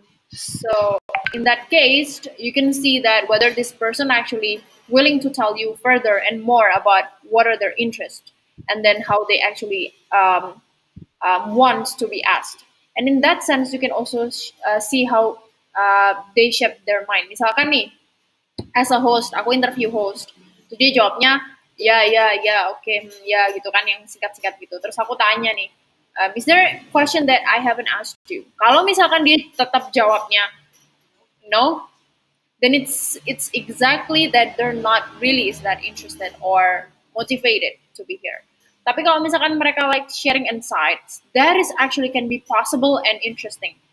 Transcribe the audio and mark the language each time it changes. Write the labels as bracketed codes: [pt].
[en] So in that case, you can see that whether this person actually willing to tell you further and more about what are their interests and then how they actually want to be asked. And in that sense, you can also see how they shape their mind. [id] Misalkan nih, [en] as a host, aku interview host. [id] Jadi jawabnya, ya, gitu kan, yang singkat-singkat gitu. Terus aku tanya nih, [en] is there a question that I haven't asked you? [id] Kalau misalkan dia tetap jawabnya, [en] no, then it's exactly that they're not really is that interested or motivated to be here. [id] Tapi kalau misalkan mereka [en] like sharing insights, that is actually can be possible and interesting.